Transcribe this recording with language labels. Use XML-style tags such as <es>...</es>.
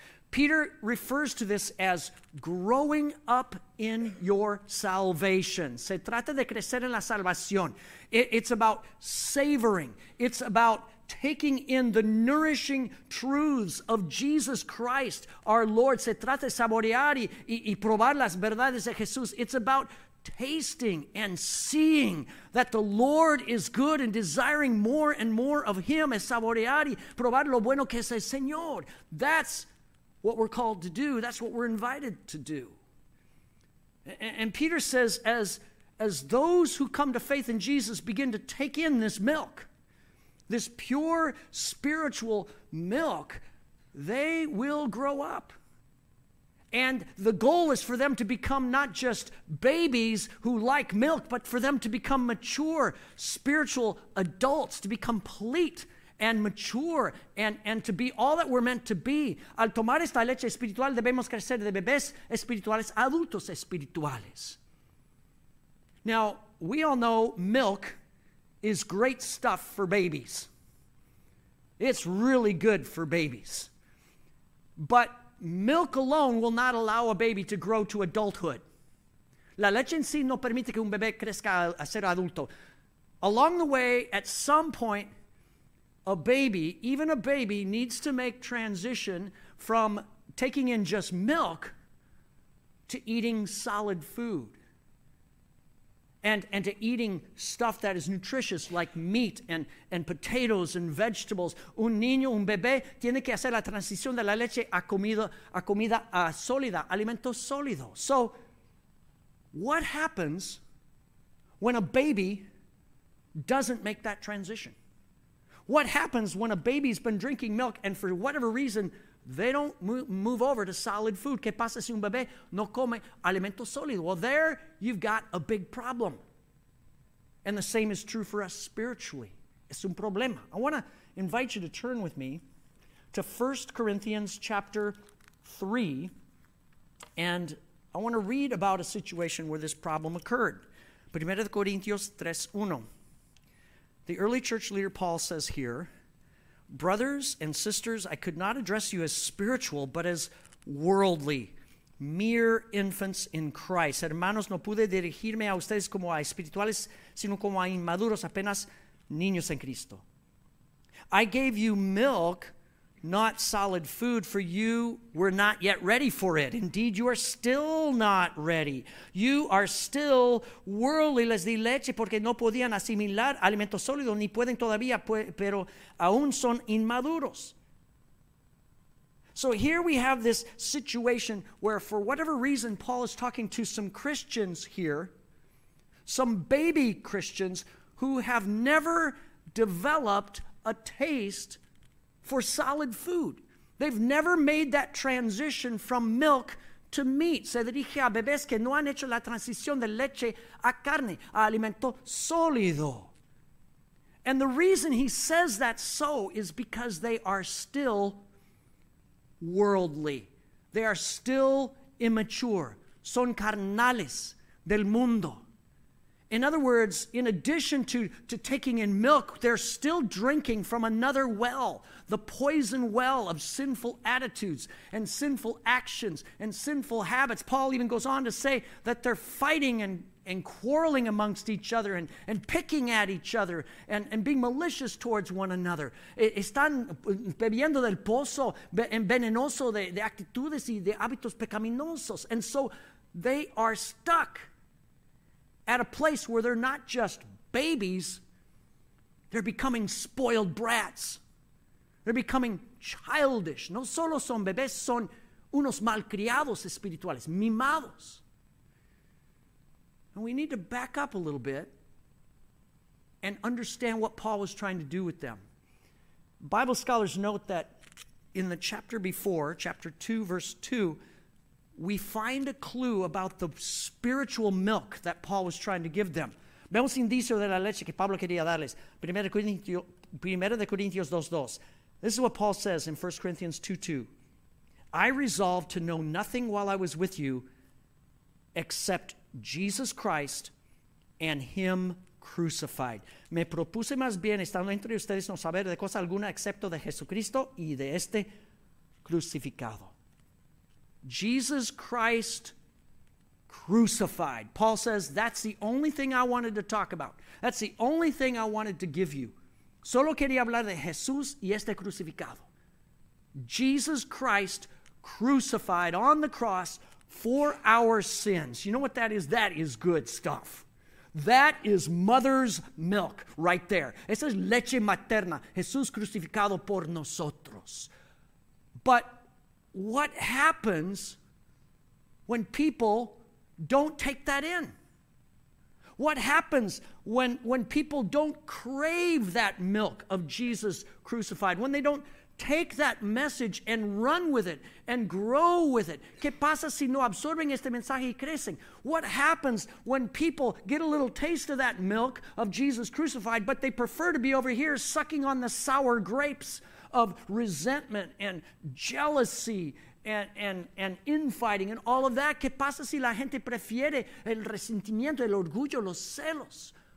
<en>Peter refers to this as growing up in your salvation.</en> <es>Se trata de crecer en la salvación.</es> <en>It's about savoring. It's about taking in the nourishing truths of Jesus Christ, our Lord.</en> <es>Se trata de saborear y probar las verdades de Jesús.</es> <en>It's about tasting and seeing that the Lord is good and desiring more and more of Him.</en> <es>Es saborear y probar lo bueno que es el Señor.</es> <en>That's what we're called to do. That's what we're invited to do. And Peter says, as those who come to faith in Jesus begin to take in this milk, this pure spiritual milk, they will grow up. And the goal is for them to become not just babies who like milk, but for them to become mature spiritual adults, to be complete and mature, and to be all that we're meant to be.</en> <es>Al tomar esta leche espiritual, debemos crecer de bebés espirituales, adultos espirituales.</es> <en>Now, we all know milk is great stuff for babies. It's really good for babies. But milk alone will not allow a baby to grow to adulthood.</en> <es>La leche en sí no permite que un bebé crezca a ser adulto.</es> <en>Along the way, at some point, a baby, even a baby, needs to make transition from taking in just milk to eating solid food and to eating stuff that is nutritious like meat and potatoes and vegetables.</en> <es>Un niño, un bebé, tiene que hacer la transición de la leche a comida sólida, alimentos sólidos.</es> <en>So what happens when a baby doesn't make that transition? What happens when a baby's been drinking milk and for whatever reason they don't move over to solid food?</en> <es>¿Qué pasa si un bebé no come alimento sólido?</es> <en>Well, there you've got a big problem. And the same is true for us spiritually.</en> <es>Es un problema.</es> <en>I want to invite you to turn with me to 1 Corinthians chapter 3. And I want to read about a situation where this problem occurred. 1 Corinthians 3:1. The early church leader Paul says here, brothers and sisters, I could not address you as spiritual, but as worldly, mere infants in Christ.</en> <es>Hermanos, no pude dirigirme a ustedes como a espirituales, sino como a inmaduros, apenas niños en Cristo.</es> <en>I gave you milk, not solid food, for you were not yet ready for it. Indeed, you are still not ready. You are still worldly.</en> <es>Les di leche porque no podían asimilar alimentos sólidos, ni pueden todavía, pero aún son inmaduros.</es> <en>So here we have this situation where, for whatever reason, Paul is talking to some Christians here, some baby Christians who have never developed a taste for solid food. They've never made that transition from milk to meat.</en> <es>Se dirige a bebés que no han hecho la transición de leche a carne, a alimento sólido.</es> <en>And the reason he says that so is because they are still worldly. They are still immature.</en> <es>Son carnales del mundo.</es> <en>In other words, in addition to taking in milk, they're still drinking from another well, the poison well of sinful attitudes and sinful actions and sinful habits. Paul even goes on to say that they're fighting and quarreling amongst each other and picking at each other and being malicious towards one another.</en> <es>Están bebiendo del pozo envenenoso de actitudes y de hábitos pecaminosos.</es> <en>And so they are stuck at a place where they're not just babies, they're becoming spoiled brats. They're becoming childish.</en> <es>No solo son bebés, son unos malcriados espirituales, mimados.</es> <en>And we need to back up a little bit and understand what Paul was trying to do with them. Bible scholars note that in the chapter before, chapter 2, verse 2, we find a clue about the spiritual milk that Paul was trying to give them.</en> <es>Vemos indicio de la leche que Pablo quería darles. Primero de Corintios 2:2.</es> <en>This is what Paul says in 1 Corinthians 2:2. I resolved to know nothing while I was with you except Jesus Christ and Him crucified.</en> <es>Me propuse más bien estando entre ustedes no saber de cosa alguna excepto de Jesucristo y de este crucificado.</es> <en>Jesus Christ crucified. Paul says, that's the only thing I wanted to talk about. That's the only thing I wanted to give you.</en> <es>Solo quería hablar de Jesús y este crucificado.</es> <en>Jesus Christ crucified on the cross for our sins. You know what that is? That is good stuff. That is mother's milk right there.</en> <es>Esa es leche materna. Jesús crucificado por nosotros.</es> <en>But what happens when people don't take that in? What happens when people don't crave that milk of Jesus crucified? When they don't take that message and run with it and grow with it?</en> <es>¿Qué pasa si no absorben este mensaje y crecen?</es> <en>What happens when people get a little taste of that milk of Jesus crucified, but they prefer to be over here sucking on the sour grapes of resentment and jealousy and infighting and all of that?</en> <es>¿Qué pasa si la gente prefiere el resentimiento, el orgullo, los celos?</es>